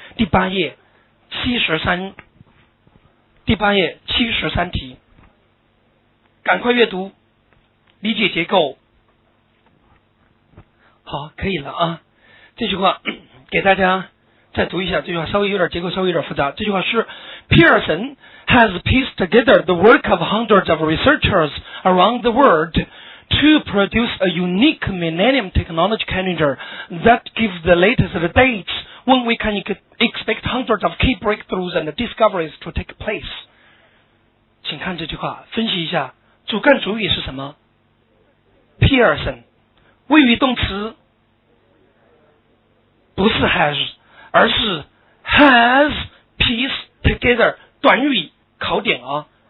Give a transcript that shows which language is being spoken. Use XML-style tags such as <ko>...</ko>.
<zh>第八页73，第八页73题，赶快阅读理解结构。好，可以了啊。这句话给大家再读一下，这句话稍微有点结构，稍微有点复杂。这句话是</zh> <en>Pearson has pieced together the work of hundreds of researchers around the worldTo produce a unique millennium technology calendar that gives the latest dates when we can expect hundreds of key breakthroughs and discoveries to take place.</en> <zh>请看这句话，分析一下，主干主语是什么？ Pearson， 谓语动词，不是 has， 而是 has pieced together， 短语，考点啊。</zh>